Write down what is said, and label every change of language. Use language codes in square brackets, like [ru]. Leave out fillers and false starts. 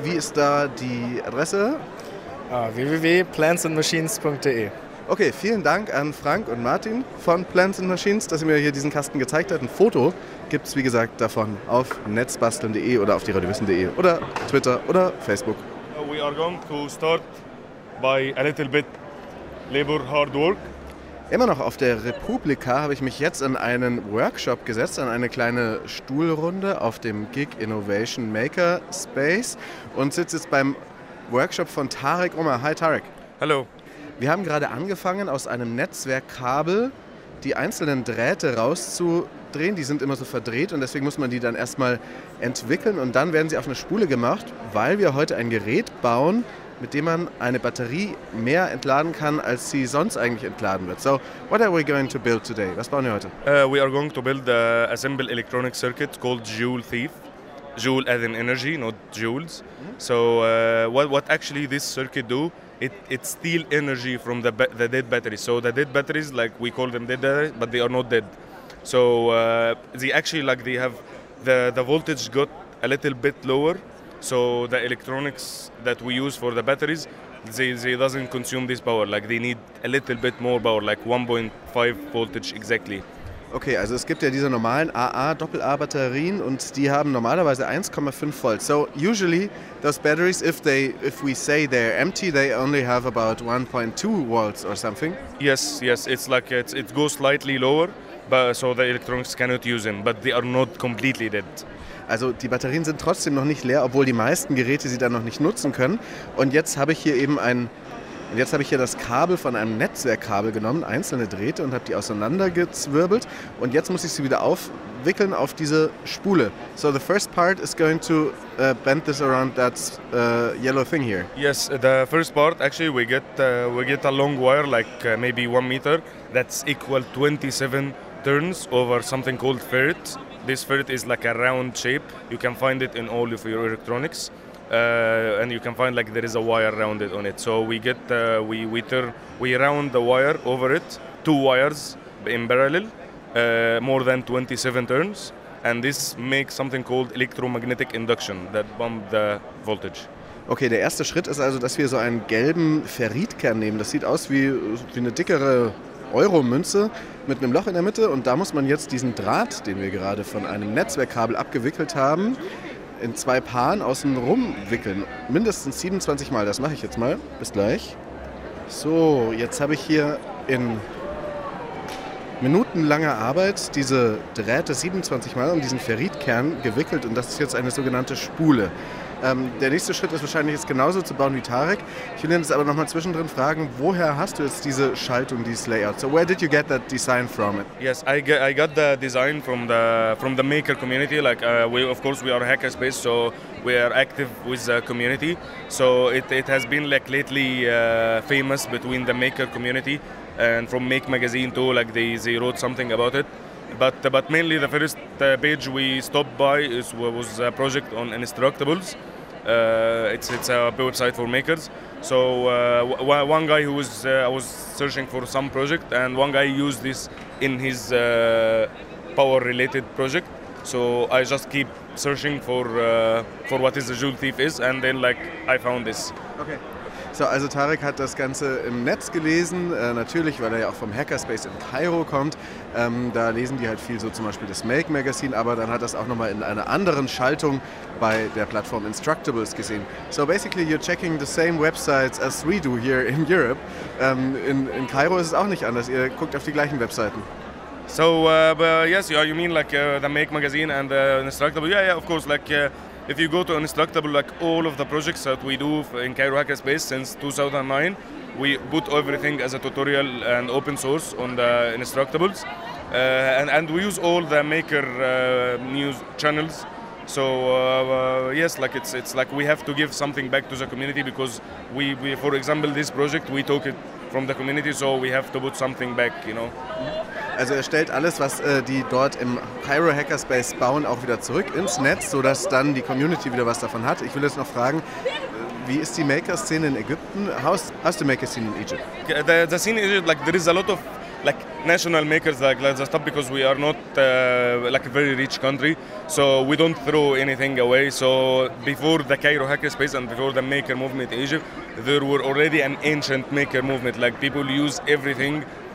[de] Wie ist da die Adresse? www.plantsandmachines.de. Okay, vielen Dank an Frank und Martin von Plants and Machines, dass ihr mir hier diesen Kasten gezeigt habt. Ein Foto gibt es, wie gesagt, davon auf netzbasteln.de oder auf dieradiowissen.de oder Twitter oder Facebook. [en] We are going to start by a little bit labor hard work. [de] Immer noch auf der Republika habe ich mich jetzt an einen Workshop gesetzt, an eine kleine Stuhlrunde auf dem Gig Innovation Maker Space und sitze jetzt beim Workshop von Tarek Omar. Hi Tarek. Hallo. Wir haben gerade angefangen, aus einem Netzwerkkabel die einzelnen Drähte rauszudrehen. Die sind immer so verdreht und deswegen muss man die dann erstmal entwickeln und dann werden sie auf eine Spule gemacht, weil wir heute ein Gerät bauen, mit dem man eine Batterie mehr entladen kann, als sie sonst eigentlich entladen wird. [en] So, what are we going to build today? [de] Was bauen wir heute? [en] We are going to build a simple electronic circuit called Joule Thief. Joule as in energy, not joules. So, what actually this circuit do, it steal energy from the dead battery. So the dead batteries, like we call them dead batteries, but they are not dead. So they actually, like they have, the voltage got a little bit lower. So the electronics that we use for the batteries, they doesn't consume this power. Like they need a little bit more power, like 1.5 voltage exactly. [de] Okay, also es gibt ja diese normalen AA-Doppel-A-Batterien und die haben normalerweise 1,5 Volt. [en] So usually those batteries, if we say they're empty, they only have about 1.2 volts or something. Yes, it's like it goes slightly lower, but so the electronics cannot use them, but they are not completely dead. [de] Also die Batterien sind trotzdem noch nicht leer, obwohl die meisten Geräte sie dann noch nicht nutzen können. Und jetzt habe ich hier eben das Kabel von einem Netzwerkkabel genommen, einzelne Drähte, und habe die auseinandergezwirbelt. Und jetzt muss ich sie wieder aufwickeln auf diese Spule. [en] So the first part is going to bend this around that yellow thing here. Yes, the first part actually we get a long wire, like maybe 1 meter, that's equal 27 turns over something called ferrit. This ferrit is like a round shape. You can find it in all of your electronics. And you can find like there is a wire around it on it. So we get, we round the wire over it, two wires in parallel, more than 27 turns. And this makes something called electromagnetic induction that bump the voltage. [de] Okay, der erste Schritt ist also, dass wir so einen gelben Ferritkern nehmen. Das sieht aus wie eine dickere Euro-Münze mit einem Loch in der Mitte. Und da muss man jetzt diesen Draht, den wir gerade von einem Netzwerkkabel abgewickelt haben, in zwei Paaren außen rum wickeln. Mindestens 27 Mal, das mache ich jetzt mal. Bis gleich. So, jetzt habe ich hier in minutenlanger Arbeit diese Drähte 27 Mal um diesen Ferritkern gewickelt und das ist jetzt eine sogenannte Spule. Der nächste Schritt ist wahrscheinlich jetzt genauso zu bauen wie Tarek. Ich will jetzt aber nochmal zwischendrin fragen, woher hast du jetzt diese Schaltung, dieses Layout? [en] So where did you get that design from? Yes, I got the design from the maker community. Like we, of course, we are a hackerspace, so we are active with the community. So it has been like lately famous between the maker community and from Make Magazine too. Like they wrote something about it. But mainly the first page we stopped by was a project on Instructables. It's a website for makers. So one guy who was I was searching for some project, and one guy used this in his power related project. So I just keep searching for what is the Joule Thief is, and then like I found this. Okay. [de] So, also Tarek hat das Ganze im Netz gelesen, natürlich, weil er ja auch vom Hackerspace in Kairo kommt. Da lesen die halt viel so zum Beispiel das Make Magazine, aber dann hat das auch nochmal in einer anderen Schaltung bei der Plattform Instructables gesehen. [en] So basically you're checking the same websites as we do here in Europe. [de] In Kairo ist es auch nicht anders, ihr guckt auf die gleichen Webseiten. [en] So, but yes, you mean like the Make Magazine and the Instructables? Yeah, of course, like... If you go to Instructable, like all of the projects that we do in Cairo Hackerspace since 2009, we put everything as a tutorial and open source on the Instructables. And we use all the maker news channels. So yes, like it's like we have to give something back to the community, because we for example, this project, we took it from the community, so we have to put something back, you know. [de] Also er stellt alles, was die dort im Cairo Hackerspace bauen, auch wieder zurück ins Netz, sodass dann die Community wieder was davon hat. Ich will jetzt noch fragen, wie ist die Maker-Szene in Ägypten? [en] How's the Maker-Szene in Egypt? The scene in Egypt, like, there is a lot of like national makers like the stuff, because we are not like a very rich country, so we don't throw anything away. So before the Cairo Hackerspace and before the maker movement in Egypt, there were already an ancient maker movement, like people use everything.